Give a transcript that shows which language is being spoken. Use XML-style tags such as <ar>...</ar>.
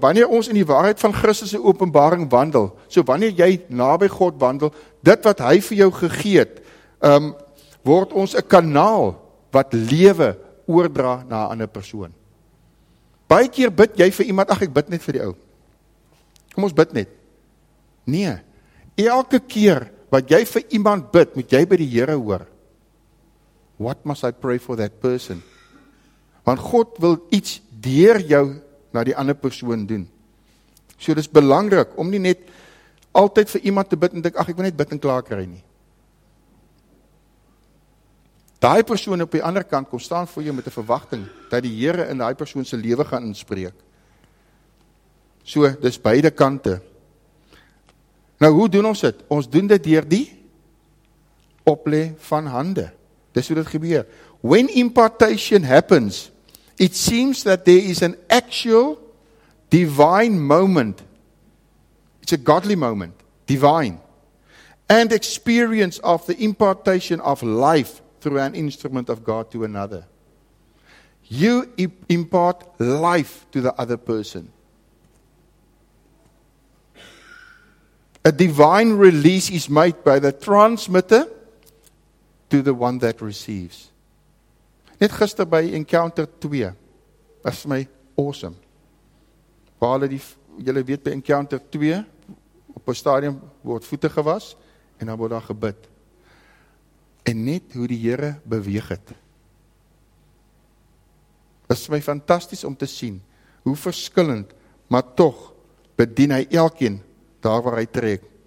<af>Wanneer ons in die waarheid van Christus se openbaring wandel, so wanneer jy naby God wandel, dit wat hy vir jou gegee het, word ons 'n kanaal wat lewe oordra na 'n ander persoon. Baie keer bid jy vir iemand, ag ek bid net vir die ou. Kom ons bid net. Nee, elke keer wat jy vir iemand bid, moet jy by die Here hoor.</af> <en>What must I pray for that person?</en> <af>Want God wil iets deur jou na die ander persoon doen. So dis belangrik om nie net altyd vir iemand te bid en dink, ag ek wil net bid en klaar kry nie. Daai persoon op die ander kant kom staan voor jou met 'n verwagting dat die Here in daai persoon se lewe gaan inspreek. So, dis beide kante. Nou, hoe doen ons dit? Ons doen dit deur die oplê van hande. Dis hoe dit gebeur.</af> <en>When impartation happens, it seems that there is an actual divine moment. It's a godly moment. Divine. And experience of the impartation of life through an instrument of God to another. You impart life to the other person. A divine release is made by the transmitter to the one that receives.</en> <af>Net gister by Encounter 2 was my awesome. Waar hulle julle weet by Encounter 2 op 'n stadium word voete gewas en dan word daar gebid. En net hoe die Here beweeg het. Was my fantasties om te sien hoe verskillend, maar tog bedien hy elkeen daar waar hy trek.</af>